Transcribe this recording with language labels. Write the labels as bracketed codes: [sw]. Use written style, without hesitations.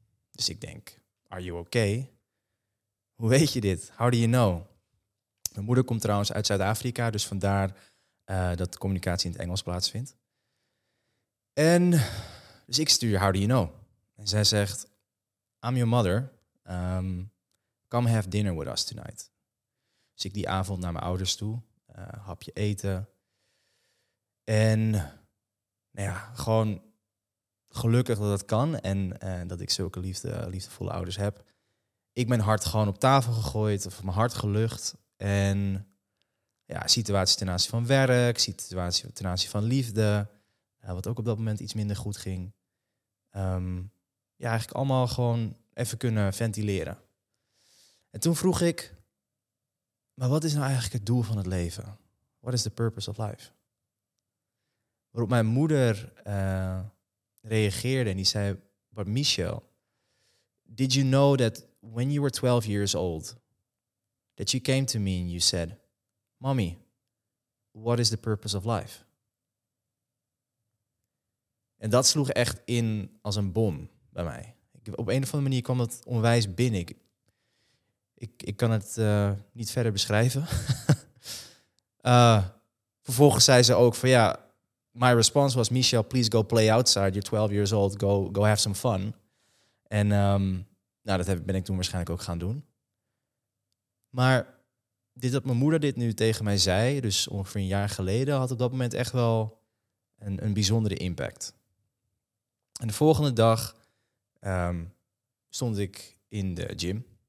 [nl] Dus ik denk, [en] are you okay? [nl] Hoe weet je dit? [en] How do you know? [nl] Mijn moeder komt trouwens uit Zuid-Afrika, dus vandaar dat de communicatie in het Engels plaatsvindt. En dus ik stuur, [en] how do you know? [nl] En zij zegt, [en] I'm your mother. Come have dinner with us tonight. [nl] Dus ik die avond naar mijn ouders toe. Hapje eten. En nou ja, gewoon gelukkig dat dat kan. En dat ik zulke liefdevolle ouders heb. Ik mijn hart gewoon op tafel gegooid. Of mijn hart gelucht. En ja, situatie ten aanzien van werk, situatie ten aanzien van liefde, wat ook op dat moment iets minder goed ging. Eigenlijk allemaal gewoon even kunnen ventileren. En toen vroeg ik, maar wat is nou eigenlijk het doel van het leven? [en] What is the purpose of life? [nl] Waarop mijn moeder reageerde en die zei, [en] but Michel, did you know that when you were 12 years old, that you came to me and you said, Mommy, what is the purpose of life? [nl] En dat sloeg echt in als een bom bij mij. Op een of andere manier kwam dat onwijs binnen. Ik kan het niet verder beschrijven. vervolgens zei ze ook van ja, [en] my response was, Michel, please go play outside. You're 12 years old, go have some fun. [nl] En ben ik toen waarschijnlijk ook gaan doen. Maar dit dat mijn moeder dit nu tegen mij zei, dus ongeveer een jaar geleden, had op dat moment echt wel een bijzondere impact. En de volgende dag stond ik in de gym.